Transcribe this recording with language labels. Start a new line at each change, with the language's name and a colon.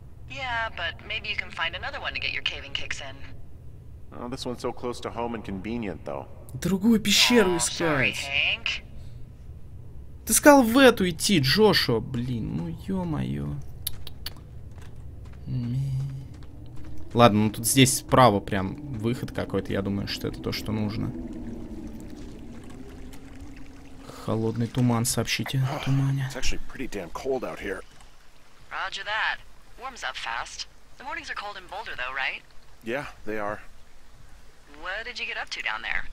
English: Yeah, but maybe you can find another one to get your caving kicks in. Oh, this one's so close to home and convenient, though.
Russian: Другую пещеру искать.
English: Sorry, Hank.
Russian: Ты сказал в эту идти, Джошуа, блин, ну ё-моё. Ладно, ну тут здесь справа прям выход какой-то, я думаю, что это то, что нужно. Холодный туман, сообщите о тумане.
English: Roger that. Warms up fast. The mornings are cold in Boulder, though, right? Yeah, they are. What did you get up to down there?